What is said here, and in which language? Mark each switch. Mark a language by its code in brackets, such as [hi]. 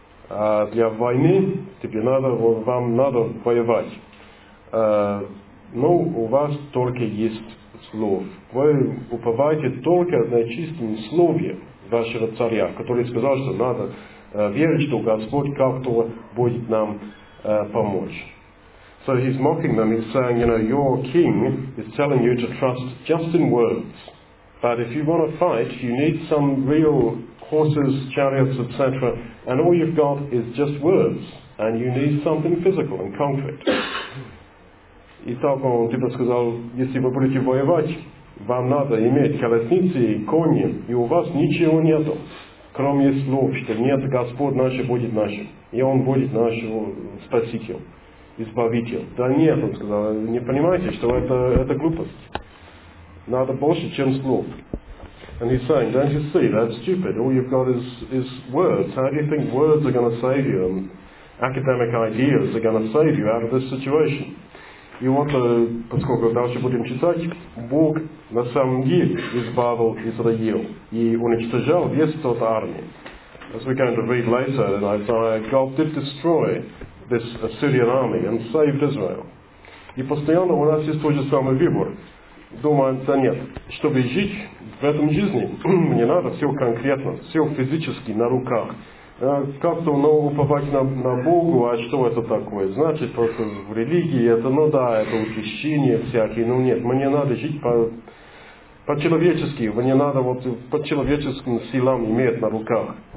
[ru] А для войны тебе надо, вам надо воевать. Но у вас только есть слово. Вы уповаете только на чистом слове вашего царя, который сказал, что надо верить, что Господь как-то будет нам помочь. [en] So he's mocking them, he's saying, you know, your king is telling you to trust just in words. But if you want to fight, you need some real horses, chariots, etc. And all you've got is just words. And you need something physical and concrete. [ru] И так он типа сказал, если вы будете воевать, вам надо иметь колесницы, кони, и у вас ничего нету, кроме слов, что нет, Господь наш будет нашим. И он будет нашим спасителем. Избавитель. Да нет, он сказал, не понимаете, что это глупость. Надо больше, чем слов. [en] And he's saying, don't you see, that's stupid. All you've got is words. How do you think words are going to save you and academic ideas are going to save you out of this situation? [ru] И вот, поскольку дальше будем читать, Бог на самом деле избавил Израил и уничтожал весь тот армию. [en] As we're going to read later in Isaiah, God did destroy this Assyrian army and saved Israel. [ru] И постоянно у нас есть тот же самый выбор. Думаем, да нет, чтобы жить в этом жизни, мне надо все конкретно, все физически, на руках. Как-то уповать на Богу, а что это такое? Значит, просто в религии это, ну да, это утешение всякие, но нет, мне надо жить по-человечески, мне надо вот по человеческим силам иметь на руках.